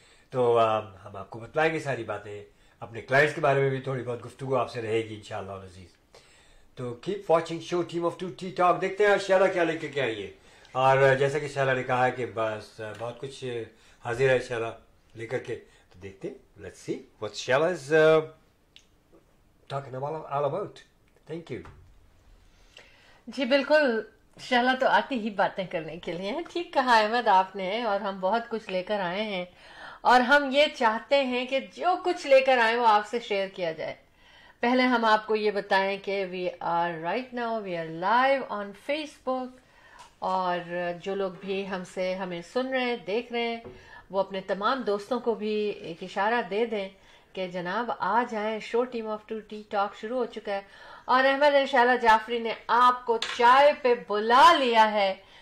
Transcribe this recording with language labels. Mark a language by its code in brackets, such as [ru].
[ur] تو ہم آپ کو بتلائیں گے ساری باتیں. اپنے کلائنٹس کے بارے میں بھی تھوڑی بہت گفتگو آپ سے رہے گی انشاءاللہ عزیز. تو [en] keep watching [ur] show team of two T talk. دیکھتے ہیں شہلا کیا لے کے کیا آئیے. اور جیسا کہ شہلا نے کہا کہ بس بہت کچھ حاضر ہے شہلا لے کر کے, تو دیکھتے ہیں. [en] Let's see what Shehla is talking all about. Thank you. [ur] جی بالکل, شہلا تو آتی ہی باتیں کرنے کے لیے. ٹھیک کہا احمد آپ نے, اور ہم بہت کچھ لے کر آئے ہیں اور ہم یہ چاہتے ہیں کہ جو کچھ لے کر آئے وہ آپ سے شیئر کیا جائے. پہلے ہم آپ کو یہ بتائیں کہ [en] we are right now we are live on Facebook, [ur] اور جو لوگ بھی ہم سے ہمیں سن رہے ہیں, دیکھ رہے ہیں, وہ اپنے تمام دوستوں کو بھی ایک اشارہ دے دیں کہ جناب آ جائیں, show team of two T talk شروع ہو چکا ہے اور احمد شہلا جعفری نے آپ کو چائے پہ بلا لیا ہے.